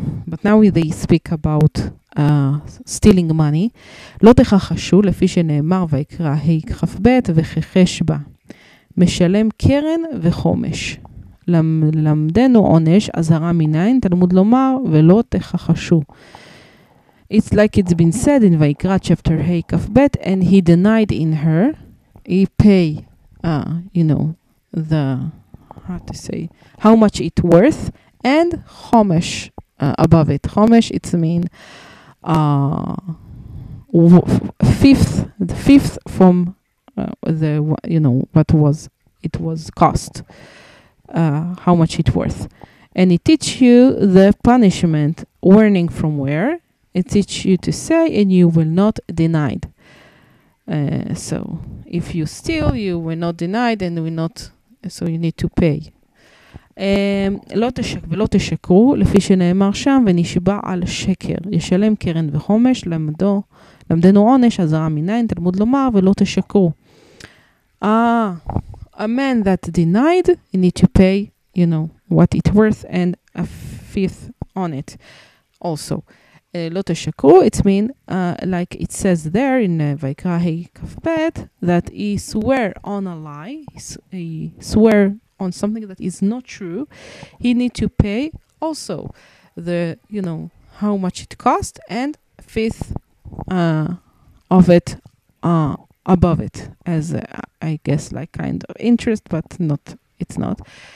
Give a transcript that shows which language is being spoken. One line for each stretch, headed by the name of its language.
English: But now they speak about stealing money.
Hebrew: לא תכחשו לפי שנאמר ויקרא היכף בית וכחש בה. משלם קרן וחומש. למדנו עונש, אזהרה מניין, תלמוד לומר, ולא תכחשו.
English: It's like it's been said in Vayikra chapter Hey Kaf Bet, and he denied in her, he pay, you know, the, how to say, how much it worth, and Chomesh above it. Chomesh, it's mean, the fifth from the, you know, what was, it was cost. How much it worth. And it teach you the punishment, warning from where. It teach you to say, and you will not denied. So if you steal, you will not denied, and will not, so you need to pay.
Hebrew: לא תשק ולא תשקרו, לפי שנאמר שם, ונשבע על שקר. ישלם קרן וחומש, למדנו עונש, עזרה מניין, תלמוד לומר, ולא תשקרו.
English: A man that denied, he need to pay, you know, what it worth and a fifth on it also.
Hebrew: לא תשקרו,
English: it mean, like it says there in Vayikra Kaf Bet, that he swear on a lie, he swear on something that is not true, he need to pay also the, you know, how much it cost and a fifth of it above it, as I guess like kind of interest, but not, it's not.